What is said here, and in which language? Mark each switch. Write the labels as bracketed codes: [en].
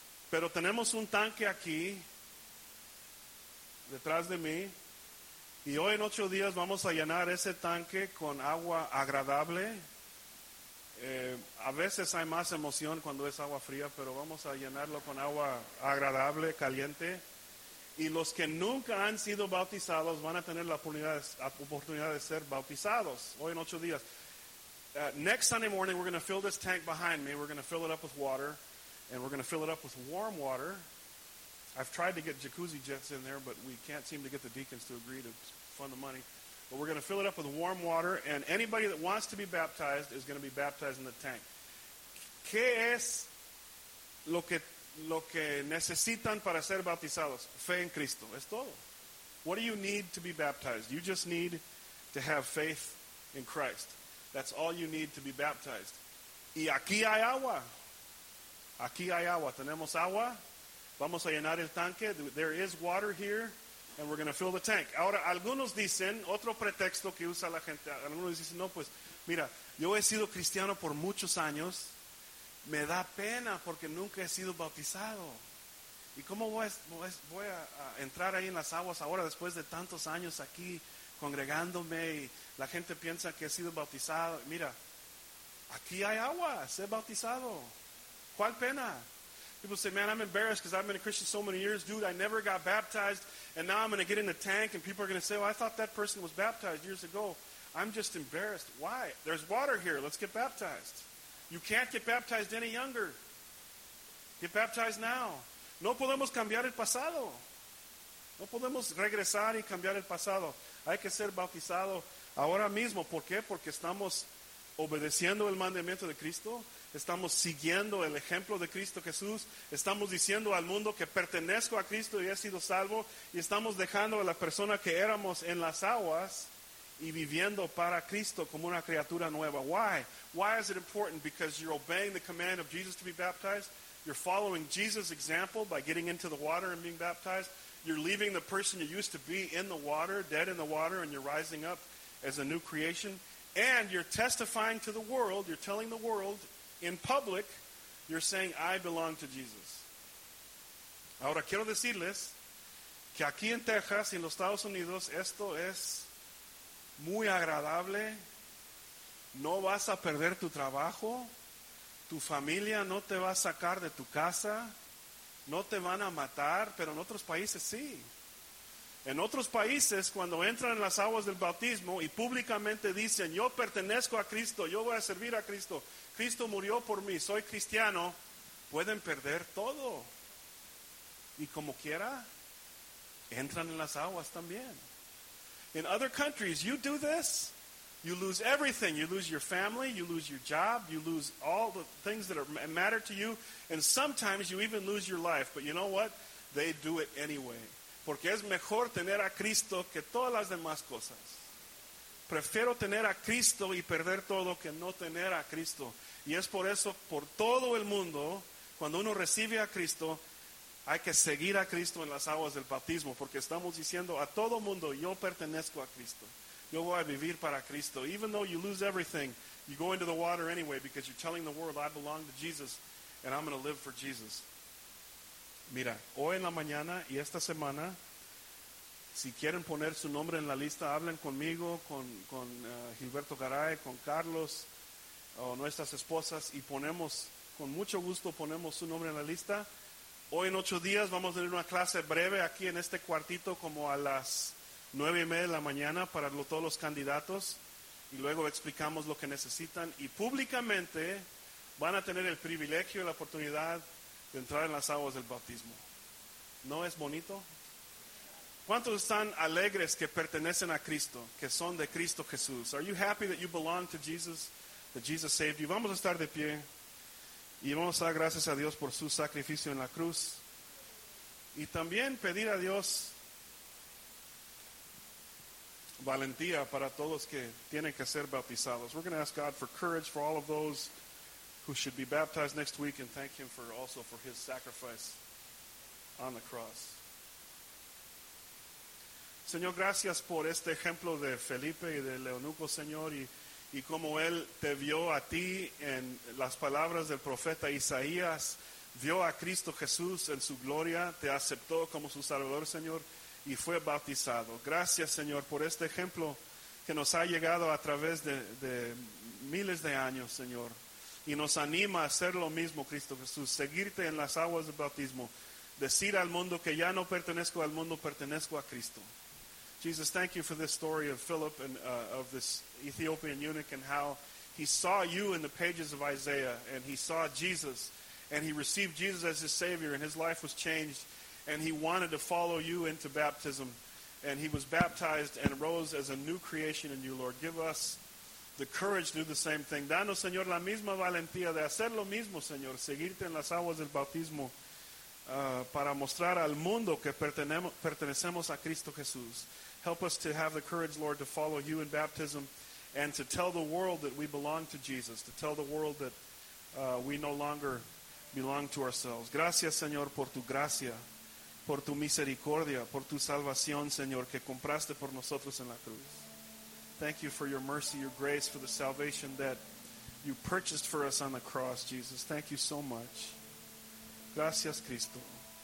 [es] Pero tenemos un tanque aquí, detrás de mí, y hoy en 8 días vamos a llenar ese tanque con agua agradable. A veces hay más emoción cuando es agua fría, pero vamos a llenarlo con agua agradable, caliente. Y los que nunca han sido bautizados van a tener la oportunidad de ser bautizados hoy en 8 días. [en] Next Sunday morning, we're going to fill this tank behind me. We're going to fill it up with water. And we're going to fill it up with warm water. I've tried to get jacuzzi jets in there, but we can't seem to get the deacons to agree to fund the money. But we're going to fill it up with warm water. And anybody that wants to be baptized is going to be baptized in the tank. [es] ¿Qué es lo que necesitan para ser bautizados? Fe en Cristo. Es todo. [en] What do you need to be baptized? You just need to have faith in Christ. That's all you need to be baptized. [es] Y aquí hay agua. Aquí hay agua. Tenemos agua. Vamos a llenar el tanque. [en] There is water here. And we're going to fill the tank. [es] Ahora, algunos dicen, otro pretexto que usa la gente. Algunos dicen, no, pues, mira, yo he sido cristiano por muchos años. Me da pena porque nunca he sido bautizado. ¿Y cómo voy a entrar ahí en las aguas ahora después de tantos años aquí congregándome y la gente piensa que he sido bautizado? Mira, aquí hay agua, sé bautizado. ¿Cuál pena? [en] People say, man, I'm embarrassed because I've been a Christian so many years. Dude, I never got baptized and now I'm going to get in the tank and people are going to say, well, I thought that person was baptized years ago. I'm just embarrassed. Why? There's water here. Let's get baptized. You can't get baptized any younger. Get baptized now. [es] No podemos cambiar el pasado. No podemos regresar y cambiar el pasado. Hay que ser bautizado ahora mismo. ¿Por qué? Porque estamos obedeciendo el mandamiento de Cristo. Estamos siguiendo el ejemplo de Cristo Jesús. Estamos diciendo al mundo que pertenezco a Cristo y he sido salvo. Y estamos dejando a la persona que éramos en las aguas y viviendo para Cristo como una criatura nueva. [en] Why? Why is it important? Because you're obeying the command of Jesus to be baptized. You're following Jesus' example by getting into the water and being baptized. You're leaving the person you used to be in the water, dead in the water, and you're rising up as a new creation. And you're testifying to the world. You're telling the world in public. You're saying, I belong to Jesus. [es] Ahora quiero decirles que aquí en Texas y en los Estados Unidos esto es muy agradable. No vas a perder tu trabajo. Tu familia no te va a sacar de tu casa. No te van a matar, pero en otros países sí. En otros países, cuando entran en las aguas del bautismo y públicamente dicen, yo pertenezco a Cristo, yo voy a servir a Cristo, Cristo murió por mí, soy cristiano, pueden perder todo. Y como quiera, entran en las aguas también. [en] In other countries, you do this, you lose everything. You lose your family, you lose your job, you lose all the things that matter to you, and sometimes you even lose your life. But you know what? They do it anyway. [es] Porque es mejor tener a Cristo que todas las demás cosas. Prefiero tener a Cristo y perder todo que no tener a Cristo. Y es por eso, por todo el mundo, cuando uno recibe a Cristo, hay que seguir a Cristo en las aguas del bautismo. Porque estamos diciendo a todo mundo, yo pertenezco a Cristo. Yo voy a vivir para Cristo. [en] Even though you lose everything, you go into the water anyway because you're telling the world, I belong to Jesus and I'm going to live for Jesus. [es] Mira, hoy en la mañana y esta semana, si quieren poner su nombre en la lista, hablen conmigo, con Gilberto Garay, con Carlos, o nuestras esposas, y ponemos, con mucho gusto, ponemos su nombre en la lista. Hoy en 8 días vamos a tener una clase breve aquí en este cuartito, como a las 9:30 de la mañana, para todos los candidatos, y luego explicamos lo que necesitan, y públicamente van a tener el privilegio y la oportunidad de entrar en las aguas del bautismo. ¿No es bonito? ¿Cuántos están alegres que pertenecen a Cristo, que son de Cristo Jesús? [en] Are you happy that you belong to Jesus, that Jesus saved you? [es] Vamos a estar de pie y vamos a dar gracias a Dios por su sacrificio en la cruz. Y también pedir a Dios valentía para todos que tienen que ser bautizados. [en] We're going to ask God for courage for all of those who should be baptized next week, and thank him for also for his sacrifice on the cross. [es] Señor, gracias por este ejemplo de Felipe y de Leonuco, Señor, y como él te vio a ti en las palabras del profeta Isaías, vio a Cristo Jesús en su gloria, te aceptó como su Salvador, Señor, y fue bautizado. Gracias, Señor, por este ejemplo que nos ha llegado a través de miles de años, Señor. Y nos anima a hacer lo mismo, Cristo Jesús, seguirte en las aguas del bautismo, decir al mundo que ya no pertenezco al mundo, pertenezco a Cristo. [en] Jesus, thank you for this story of Philip and of this Ethiopian eunuch and how he saw you in the pages of Isaiah and he saw Jesus and he received Jesus as his Savior and his life was changed and he wanted to follow you into baptism and he was baptized and rose as a new creation in you, Lord. Give us the courage to do the same thing. [es] Danos, Señor, la misma valentía de hacer lo mismo, Señor, seguirte en las aguas del bautismo para mostrar al mundo que pertenecemos a Cristo Jesús. [en] Help us to have the courage, Lord, to follow you in baptism and to tell the world that we belong to Jesus, to tell the world that we no longer belong to ourselves. [es] Gracias, Señor, por tu gracia, por tu misericordia, por tu salvación, Señor, que compraste por nosotros en la cruz. [en] Thank you for your mercy, your grace, for the salvation that you purchased for us on the cross, Jesus. Thank you so much. [es] Gracias, Cristo.